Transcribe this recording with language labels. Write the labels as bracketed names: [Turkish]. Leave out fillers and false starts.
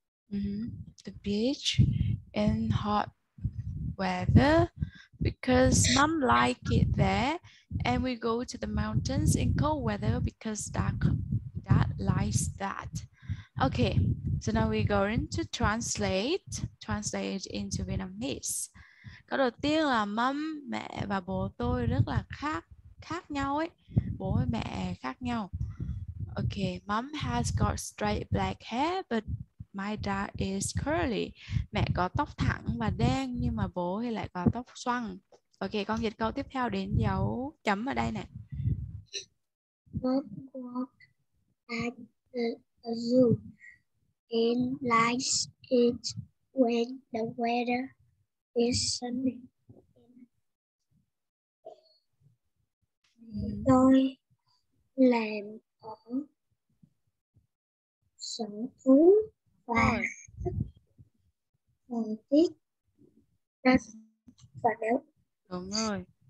[English] The beach in hot weather. Because mom like it there and we go to the mountains in cold weather because that likes that. Okay, so now we're going to translate into Vietnamese. [Vietnamese] Câu đầu tiên là mâm, mẹ và bố tôi rất là khác nhau ấy. Bố với mẹ khác nhau. [English] Okay, mom has got straight black hair, but my dad is curly. [Vietnamese] Mẹ có tóc thẳng và đen, nhưng mà bố thì lại có tóc xoăn. Okay, con dịch câu tiếp theo đến dấu chấm ở đây nè. [English] Mom walks at the zoo and likes it when the weather is sunny. [Vietnamese] Tôi làm ở sở thú và thời tiết rất và đẹp. Đúng rồi.